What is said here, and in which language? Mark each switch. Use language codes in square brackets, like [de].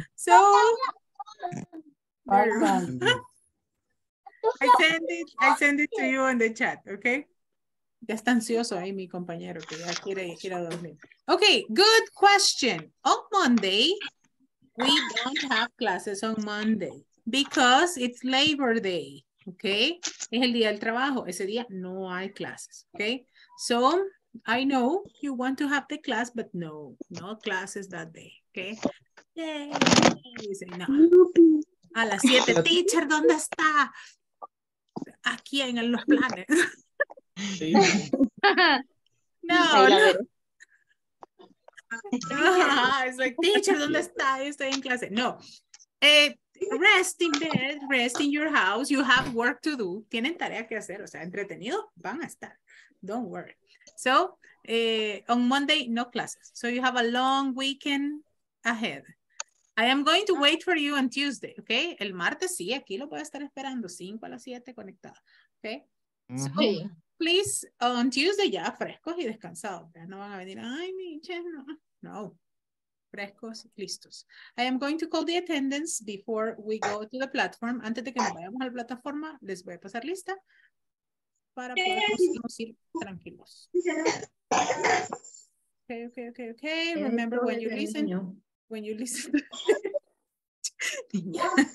[en] So, I send it to you on the chat, okay? [es] Ya está ansioso ahí mi compañero que ya quiere ir a dormir. [en] Okay, good question. On Monday, we don't have classes on Monday because it's Labor Day. [es] Okay, es el día del trabajo. Ese día no hay clases. [en] Okay, so I know you want to have the class, but no, no classes that day. Okay, yay. Say, no. [es] A las 7, teacher, ¿dónde está? Aquí en los planes. Sí. No, no. No, [en] it's like, [es] teacher, ¿dónde está? Estoy en clase. No. [en] Rest in bed, rest in your house. You have work to do. [es] Tienen tarea que hacer, o sea, entretenido, van a estar. [en] Don't worry. So, on Monday, no classes. So you have a long weekend ahead. I am going to wait for you on Tuesday, okay? [es] El martes, sí, aquí lo voy a estar esperando, 5 a las 7 conectada, okay? So, sí. [en] Please, on Tuesday, [es] ya, frescos y descansados. Ya no van a venir, ay, mi che, no. No, frescos, listos. [en] I am going to call the attendance before we go to the platform. [es] Antes de que nos vayamos a la plataforma, les voy a pasar lista para podernos ir tranquilos. [en] Okay, okay, okay, okay. Remember when you listen. When you listen. Niña.